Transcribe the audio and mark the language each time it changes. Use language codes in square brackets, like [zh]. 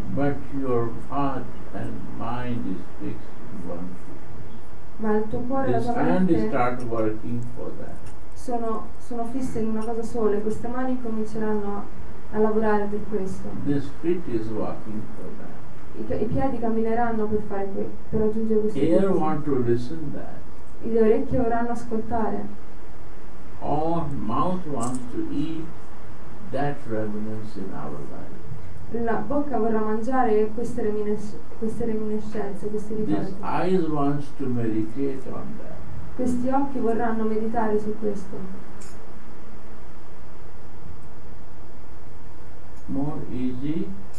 [en] But your heart and mind is fixed in one thing. [it] Ma il tuo cuore, [en] this [it] la tua mente [en] start working for that. [it] Sono fisse in una cosa sola e queste mani cominceranno a lavorare per questo. [en] This feet is working for that. [it] I piedi cammineranno per fare per raggiungere questo. [en] Ear want to listen that. [it] Le orecchie vorranno ascoltare. [en] Our mouth wants to eat that remnants in our life. [it] La bocca vorrà mangiare queste reminiscenze, questi ricordi. [en] This eyes wants to meditate on that. [it] Questi occhi vorranno meditare su questo. [en] More easy.